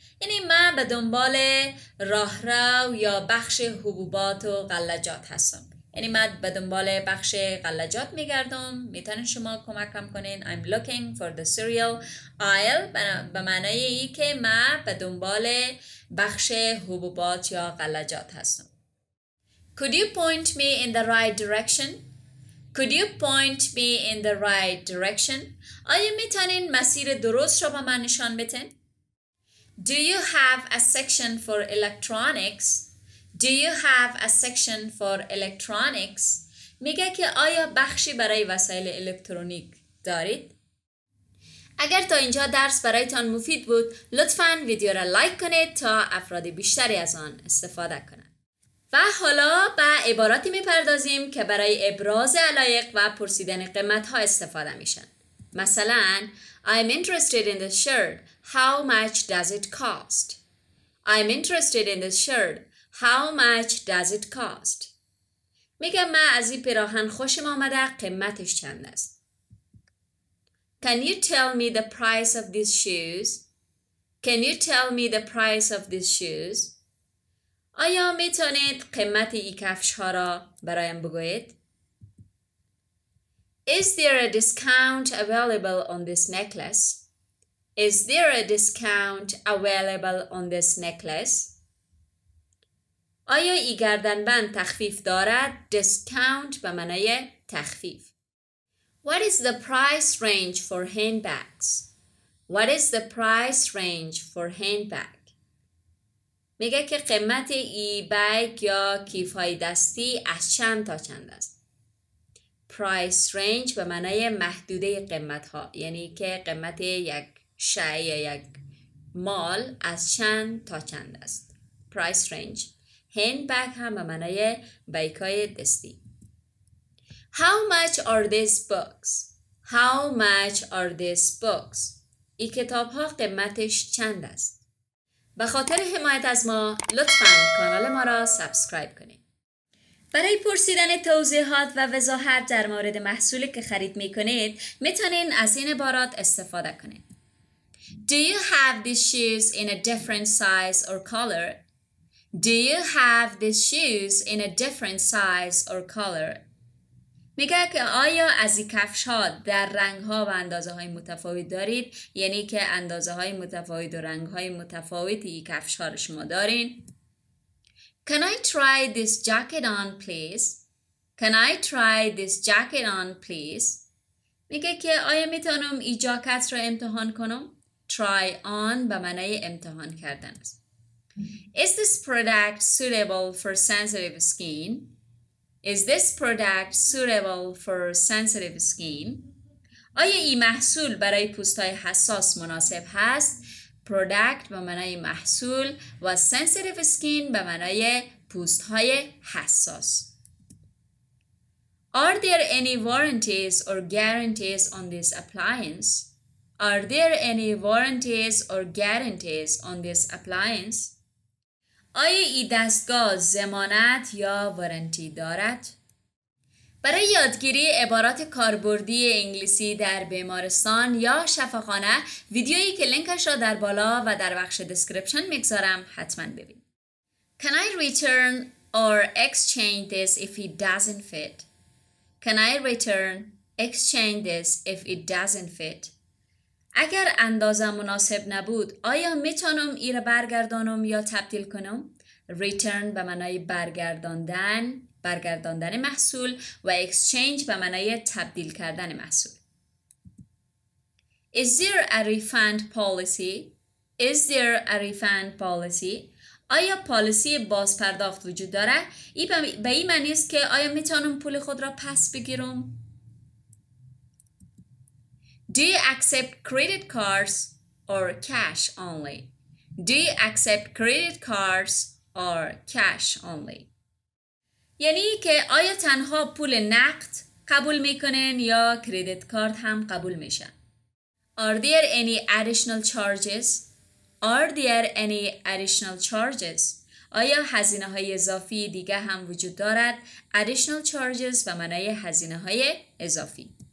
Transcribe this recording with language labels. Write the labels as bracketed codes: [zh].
[fa] یعنی من به دنبال راهرو یا بخش حبوبات و غلجات هستم. یعنی من به دنبال بخش غلجات میگردم، میتونین شما کمکم کنین. [en] I'm looking for the cereal aisle [fa] به معنی ای که من به دنبال بخش حبوبات یا غلجات هستم. [en] Could you point me in the right direction? Could you point me in the right direction? [fa] آیا میتونین مسیر درست را به من نشان بتن؟ [en] Do you have a section for electronics? Do you have a section for electronics? [fa] میگه که آیا بخشی برای وسایل الکترونیک دارید؟ اگر تا اینجا درس برایتان مفید بود، لطفاً ویدیو را لایک کنید تا افراد بیشتری از آن استفاده کنند. و حالا به عباراتی میپردازیم که برای ابراز علایق و پرسیدن قیمت ها استفاده میشن. [en] مثلا I'm interested in the shirt. How much does it cost? I'm interested in the shirt. How much does it cost? [fa] میگه ما از این پیراهن خوشم آمده، قیمتش چند است؟ [en] Can you tell me the price of these shoes? Can you tell me the price of these shoes? [fa] آیا میتونید قیمت این کفش ها را برایم بگویید؟ [en] Is there a discount available on this necklace? Is there a discount available on this necklace? [fa] آیا این گردنبند تخفیف دارد؟ Discount به معنای تخفیف. [en] What is the price range for handbags? What is the price range for handbag? [fa] میگه که قیمت ای بگ یا کیف های دستی از چند تا چند است؟ Price range به معنای محدوده قیمت ها، یعنی که قیمت یک شی یا یک مال از چند تا چند است. [en] Price range. [fa] Handbag هم به معنای بیکای دستی. [en] How much are these books? How much are these books? [fa] ای کتاب ها قیمتش چند است؟ به خاطر حمایت از ما لطفاً کانال ما را سابسکرایب کنید. برای پرسیدن توضیحات و وضاحت در مورد محصولی که خرید می کنید، می توانید از این عبارات استفاده کنید. [en] Do you have these shoes in a different size or color? Do you have these shoes in a different size or color? [fa] میگه که آیا از این کفش ها در رنگ ها و اندازه های متفاوت دارید؟ یعنی که اندازه های متفاوت و رنگ های متفاوت این کفش ها رو شما دارین؟ [en] Can I try this jacket on, please? Can I try this jacket on, please? [fa] میگه که آیا میتونم این جاکت رو امتحان کنم؟ Try on به معنی امتحان کردن است. [en] Is this product suitable for sensitive skin? Is this product suitable for sensitive skin? [fa] آیا این محصول برای پوستای حساس مناسب هست؟ Product به معنای محصول و sensitive skin به معنای پوستهای حساس. [en] Are there any warranties or guarantees on this appliance? Are there any warranties or guarantees on this appliance? [fa] آیا این دستگاه ضمانت یا وارنتی دارد؟ برای یادگیری عبارات کاربردی انگلیسی در بیمارستان یا شفاخانه، ویدیویی که لینکش را در بالا و در بخش دسکریپشن میگذارم حتما ببین. [en] Can I return or exchange this if it doesn't fit? Can I return exchange this if it doesn't fit? [fa] اگر اندازه مناسب نبود، آیا میتونم این را برگردانم یا تبدیل کنم؟ Return به معنای برگرداندن، برگرداندن محصول و exchange به معنای تبدیل کردن محصول. [en] Is there a refund policy? Is there a refund policy? [fa] آیا پالیسی بازپرداخت وجود داره؟ ای به این معنی است که آیا میتونم پول خود را پس بگیرم؟ [en] Do you accept credit cards or cash only? Do you accept credit cards or cash only? [fa] یعنی که آیا تنها پول نقد قبول میکنن یا کریدیت کارت هم قبول میشن؟ [en] Are there any additional charges? Are there any additional charges? [fa] آیا هزینه های اضافی دیگه هم وجود دارد؟ Additional charges به معنای هزینه های اضافی.